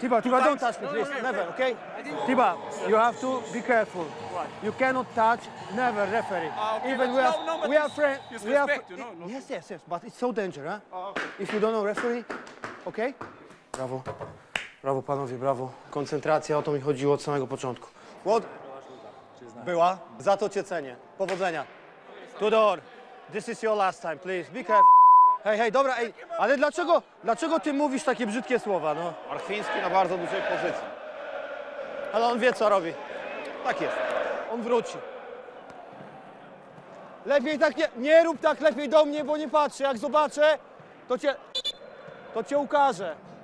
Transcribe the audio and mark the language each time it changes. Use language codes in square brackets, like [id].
[en] Tiba, don't touch me, please. Never, okay? Tiba, you have to be careful. You cannot touch, never referee. Okay, even but we are friends. You respect, you know? Yes, but it's so dangerous, huh? Okay. If you don't know referee, okay? [pl] Brawo. Brawo, panowie, brawo. Koncentracja, o to mi chodziło od samego początku. What? Była. Za to cię cenię. Powodzenia. [en] Tudor, this is your last time, please. Be careful. [pl] Hej, dobra, ej, ale dlaczego ty mówisz takie brzydkie słowa, no? Marfiński na bardzo dużej pozycji. Ale on wie, co robi. Tak jest. On wróci. Lepiej tak nie rób tak lepiej do mnie, bo nie patrzę. Jak zobaczę, to cię ukażę.